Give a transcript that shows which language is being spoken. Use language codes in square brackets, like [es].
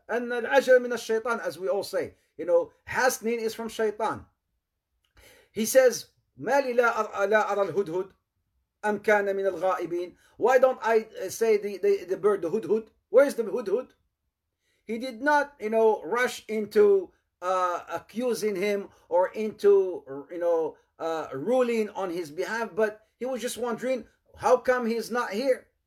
[en] العجلة, as we all say, you know, hastening is from shaitan. He says, [ar] مالي لا أرى الهدهد أم كان من الغائبين. [en] Why don't I say the bird, the hoodhood? Where is the hoodhood? He did not, you know, rush into accusing him or into, you know, ruling on his behalf, but he was just wondering, how come he's not here?